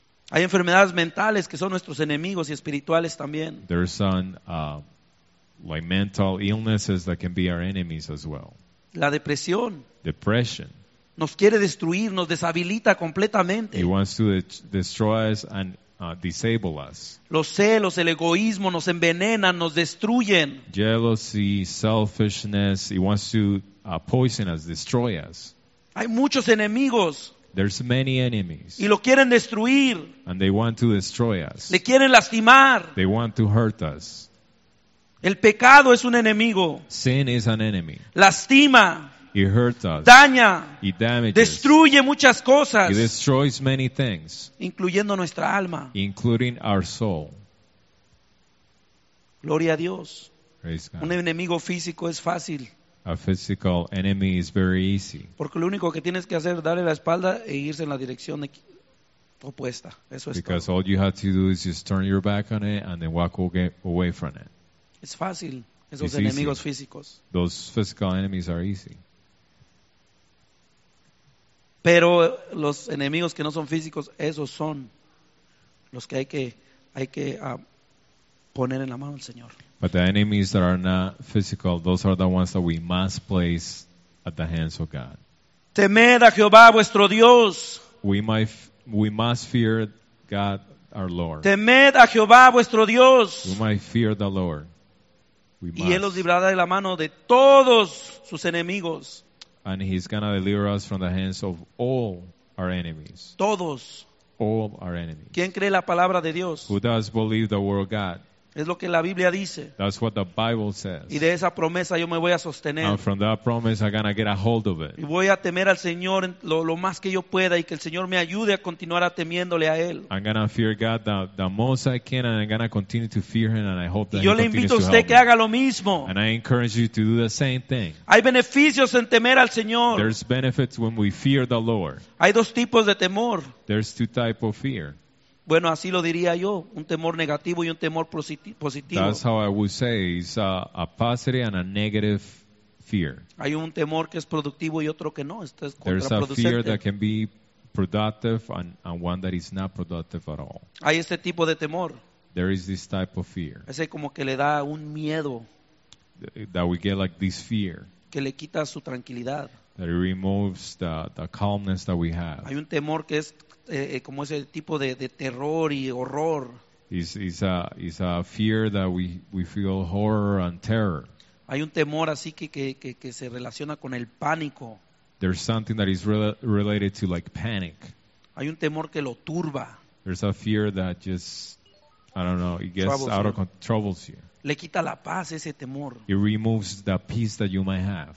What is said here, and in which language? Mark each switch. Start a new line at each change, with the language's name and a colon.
Spanish: Hay enfermedades mentales que son nuestros enemigos y espirituales también.
English: There are some like mental illnesses that can be our enemies as well.
Spanish: La depresión.
English: Depression.
Spanish: Nos quiere destruir, nos deshabilita completamente.
English: He wants to destroy us and disable us.
Spanish: Los celos, el egoísmo nos envenenan, nos destruyen.
English: Jealousy, selfishness, he wants to poison us, destroy us.
Spanish: Hay muchos enemigos.
English: There's many enemies.
Spanish: Y lo quieren destruir.
English: And they want to destroy us.
Spanish: Le quieren lastimar.
English: They want to hurt us.
Spanish: El pecado es un enemigo.
English: Sin is an enemy.
Spanish: Lastima.
English: It hurts us.
Spanish: Daña.
English: It damages.
Spanish: Destruye muchas cosas.
English: It destroys many things.
Spanish: Incluyendo nuestra alma.
English: Including our soul.
Spanish: Gloria a Dios.
English: Praise God.
Spanish: Un enemigo físico es fácil.
English: A physical enemy is very easy.
Spanish: Porque lo único que tienes que hacer es darle la espalda e irse en la dirección opuesta. Eso es.
English: Because
Spanish: todo.
English: All you have to do is just turn your back on it and then walk away from it.
Spanish: Es fácil. Esos
English: it's
Spanish: enemigos
English: easy.
Spanish: Físicos.
English: Those physical enemies are easy.
Spanish: Pero los enemigos que no son físicos, esos son los que hay que poner en la mano del Señor.
English: But the enemies that are not physical, those are the ones that we must place at the hands of God.
Spanish: Temed a Jehová vuestro Dios.
English: We must fear God, our Lord.
Spanish: Temed a Jehová vuestro Dios.
English: We might fear the Lord. We must.
Spanish: Y Él os librará de la mano de todos sus enemigos.
English: And he's going to deliver us from the hands of all our enemies.
Spanish: Todos.
English: All our enemies.
Spanish: ¿Quién cree la palabra de Dios?
English: Who does believe the word of God?
Spanish: Es lo que la Biblia dice.
English: That's what the Bible says.
Spanish: Y de esa promesa yo me voy a sostener.
English: And from that promise I'm going to get a hold of it.
Spanish: Y voy a temer al Señor lo más que yo pueda y que el Señor me ayude a continuar a temiéndole a Él.
English: I'm going to fear God the most I can and I'm going to continue to fear Him and I hope that He continues to help
Spanish: me. Y yo le invito a usted que haga lo mismo.
English: And I encourage you to do the same thing.
Spanish: Hay beneficios en temer al Señor.
English: There's benefits when we fear the Lord.
Spanish: Hay dos tipos de temor.
English: There's two types of fear.
Spanish: Bueno, así lo diría yo, un temor negativo y un temor positivo.
English: That's how I would say, it's a positive and a negative fear.
Spanish: Hay un temor que es productivo y otro que no, esto es contraproducente.
English: There's a fear that can be productive and one that is not productive at all.
Spanish: Hay este tipo de temor.
English: There is this type of fear.
Spanish: Ese como que le da un miedo.
English: That we get like this fear.
Spanish: Que le quita su tranquilidad.
English: That it removes the calmness that we have.
Spanish: Hay un temor que es como ese tipo de terror y horror.
English: It's a fear that we feel horror and terror.
Spanish: Hay un temor así que se relaciona con el pánico.
English: There's something that is related to like panic.
Spanish: Hay un temor que lo turba.
English: There's a fear that just I don't know, it gets troubles out of troubles you.
Spanish: Le quita la paz ese temor.
English: It removes the peace that you might have.